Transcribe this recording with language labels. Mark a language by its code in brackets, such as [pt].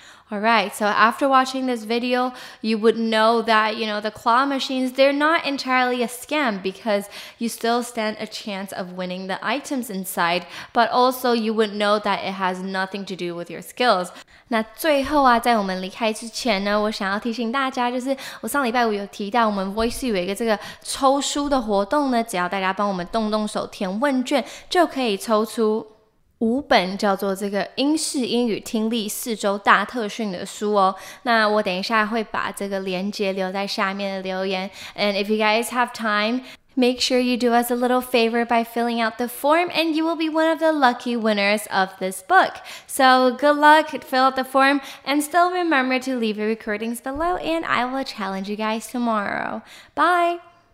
[en] All right, so after watching this video, you would know that, you know, the claw machines, they're not entirely a scam because you still stand a chance of winning the items inside, but also you would know that it has nothing to do with your skills. [zh] 那最后啊，在我们离开之前呢，我想要提醒大家，就是我上礼拜五有提到我们 Voice 有一个这个抽书的活动呢，只要大家帮我们动动手填问卷，就可以抽出五本叫做这个英式英语听力四周大特训的书哦。那我等一下会把这个连结留在下面的留言。 [en] And if you guys have timeMake sure you do us a little favor by filling out the form and you will be one of the lucky winners of this book. So good luck, fill out the form and still remember to leave your recordings below and I will challenge you guys tomorrow. Bye!